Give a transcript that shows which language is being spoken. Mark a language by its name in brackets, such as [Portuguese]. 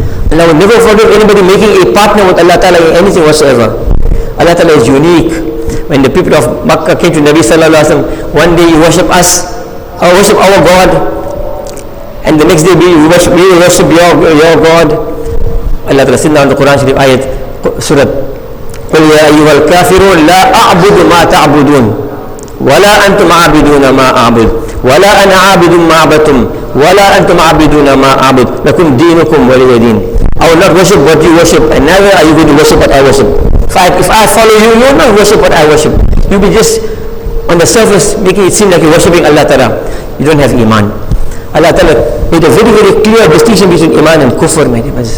[English] Allah will never forgive anybody making a partner with Allah Ta'ala in anything whatsoever. Allah Ta'ala is unique. When the people of Makkah came to Nabi Sallallahu Alaihi Wasallam, one day you worship us, or worship our God, and the next day we worship your God. Allah Ta'ala said in the Quran Sharif ayat surah, [Arabic] قُلْ يَا أَيُّهَا الْكَافِرُونَ لَا أَعْبُدُ مَا تَعْبُدُونَ ولا انتم عابدون ما اعبد ولا انا عابد ما عبدتم ولا انتم عابدون ما اعبد لكم دينكم ولي دين. [English] I will not worship what you worship, and neither are you going to worship what I worship. If I follow you, you will not worship what I worship. You'll be just on the surface making it seem like you're worshiping Allah Ta'ala. You don't have iman. Allah Ta'ala made a very, very clear distinction between iman and kufr, my dear.